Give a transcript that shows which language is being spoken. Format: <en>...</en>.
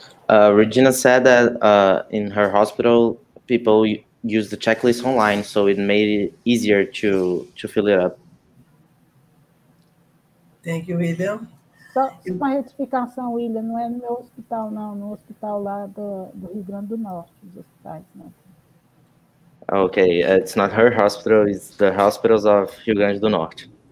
<en>Regina said that in her hospital, people use the checklist online, so it made it easier to fill it up. Thank you, William.</en> <pt>Só uma retificação, William, não é no meu hospital, não, no hospital lá do Rio Grande do Norte, os hospitais, né?</pt> <en>Okay, it's not her hospital, it's the hospitals of Rio Grande do Norte.</en>